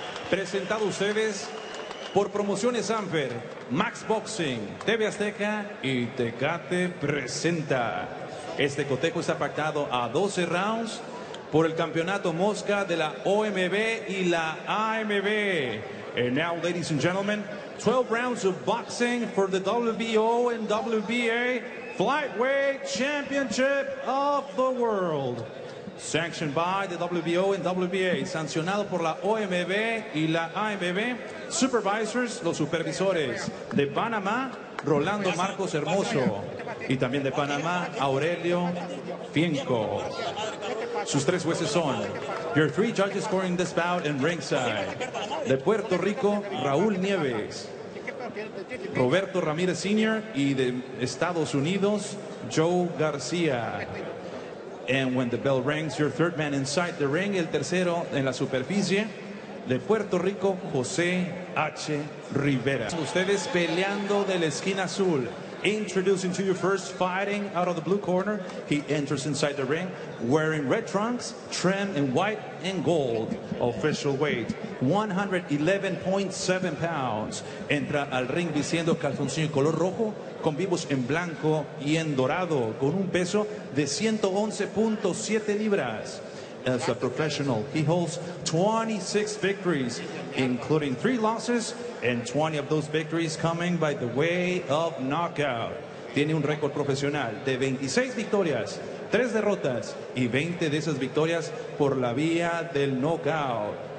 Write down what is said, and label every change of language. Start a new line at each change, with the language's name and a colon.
Spanish: Presentado a ustedes por Promociones Amper, Max Boxing, TV Azteca y Tecate presenta. Este cotejo está pactado a 12 rounds por el campeonato mosca de la OMB y la AMB.
English: And now, ladies and gentlemen, 12 rounds of boxing for the WBO and WBA Flyweight Championship of the World. Sanctioned by the WBO and WBA,
Spanish: sancionado por la OMB y la AMB, supervisors, los supervisores de Panamá, Rolando Marcos Hermoso, y también de Panamá, Aurelio Fienco. Sus 3 jueces son,
English: your 3 judges scoring this bout in ringside,
Spanish: de Puerto Rico, Raúl Nieves, Roberto Ramírez Sr., y de Estados Unidos, Joe García.
English: And when the bell rings, your 3rd man inside the ring,
Spanish: el tercero en la superficie,
English: de Puerto Rico, José H. Rivera.
Spanish: Ustedes peleando de la esquina azul.
English: Introducing to you first, fighting out of the blue corner. He enters inside the ring, wearing red trunks, trim in white and gold. Official weight, 111.7 pounds.
Spanish: Entra al ring vistiendo calzoncillo color rojo, con vivos en blanco y en dorado, con un peso de 111.7 libras.
English: As a professional, he holds 26 victories, including 3 losses, and 20 of those victories coming by the way of knockout.
Spanish: Tiene un récord profesional de 26 victorias, 3 derrotas, y 20 de esas victorias por la vía del knockout.